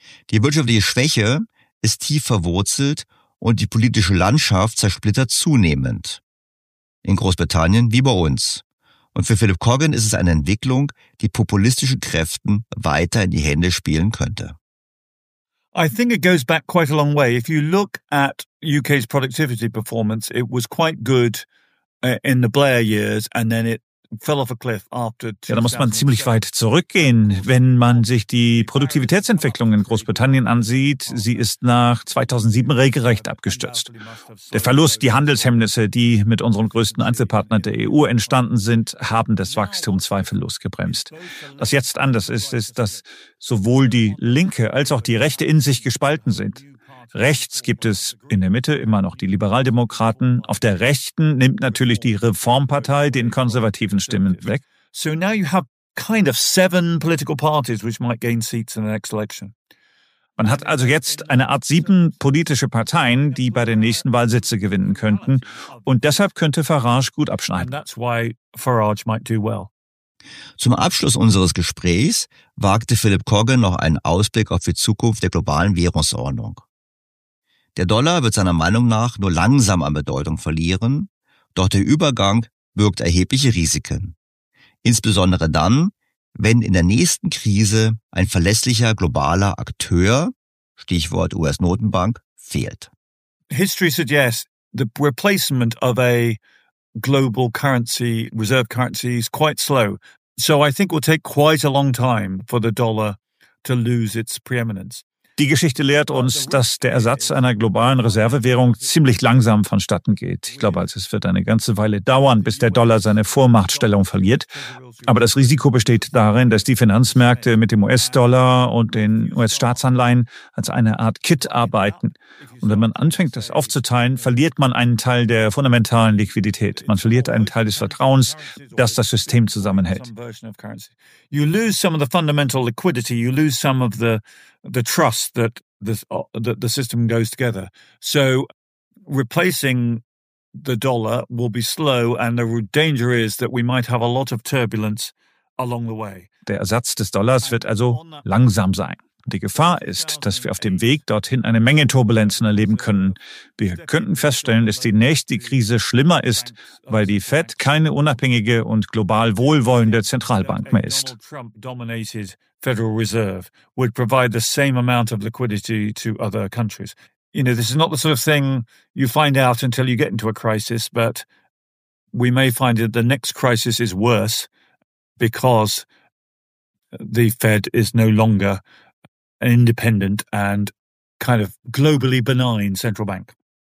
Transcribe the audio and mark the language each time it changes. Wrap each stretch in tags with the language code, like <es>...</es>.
<de>Die wirtschaftliche Schwäche ist tief verwurzelt und die politische Landschaft zersplittert zunehmend. In Großbritannien wie bei uns. Und für Philip Coggan ist es eine Entwicklung, die populistischen Kräften weiter in die Hände spielen könnte.</de> <en>I think it goes back quite a long way. If you look at UK's productivity performance, it was quite good in the Blair years and then it fell off a cliff after.</en> <de>Ja, da muss man ziemlich weit zurückgehen. Wenn man sich die Produktivitätsentwicklung in Großbritannien ansieht, sie ist nach 2007 regelrecht abgestürzt. Der Verlust, die Handelshemmnisse, die mit unserem größten Einzelpartner der EU entstanden sind, haben das Wachstum zweifellos gebremst. Was jetzt anders ist, ist, dass sowohl die Linke als auch die Rechte in sich gespalten sind. Rechts gibt es in der Mitte immer noch die Liberaldemokraten. Auf der Rechten nimmt natürlich die Reformpartei den konservativen Stimmen weg.</de> <en>So now you have kind of seven political parties which might gain seats in the next election.</en> <de>Man hat also jetzt eine Art sieben politische Parteien, die bei der nächsten Wahl Sitze gewinnen könnten. Und deshalb könnte Farage gut abschneiden.</de> <en>That's why Farage might do well.</en> <de>Zum Abschluss unseres Gesprächs wagte Philip Coggan noch einen Ausblick auf die Zukunft der globalen Währungsordnung. Der Dollar wird seiner Meinung nach nur langsam an Bedeutung verlieren, doch der Übergang birgt erhebliche Risiken. Insbesondere dann, wenn in der nächsten Krise ein verlässlicher globaler Akteur, Stichwort US-Notenbank, fehlt.</de> <en>History suggests the replacement of a global currency, reserve currency is quite slow. So I think it will take quite a long time for the dollar to lose its preeminence.</en> <de>Die Geschichte lehrt uns, dass der Ersatz einer globalen Reservewährung ziemlich langsam vonstatten geht. Ich glaube, es wird eine ganze Weile dauern, bis der Dollar seine Vormachtstellung verliert. Aber das Risiko besteht darin, dass die Finanzmärkte mit dem US-Dollar und den US-Staatsanleihen als eine Art Kit arbeiten. Und wenn man anfängt, das aufzuteilen, verliert man einen Teil der fundamentalen Liquidität. Man verliert einen Teil des Vertrauens, dass das System zusammenhält.</de> <en>You lose some of the fundamental liquidity, you lose some of the trust that the system goes together. So replacing the dollar will be slow and the danger is that we might have a lot of turbulence along the way.</en> <de>Der Ersatz des Dollars wird also langsam sein. Die Gefahr ist, dass wir auf dem Weg dorthin eine Menge Turbulenzen erleben können. Wir könnten feststellen, dass die nächste Krise schlimmer ist, weil die Fed keine unabhängige und global wohlwollende Zentralbank mehr ist.</de> <en>Donald Trump dominated Federal Reserve would provide the same amount of liquidity to other countries. You know, this is not the sort of thing you find out until you get into a crisis, but we may find that the next crisis is worse because the Fed is no longer an independent and kind of globally benign central bank.</en>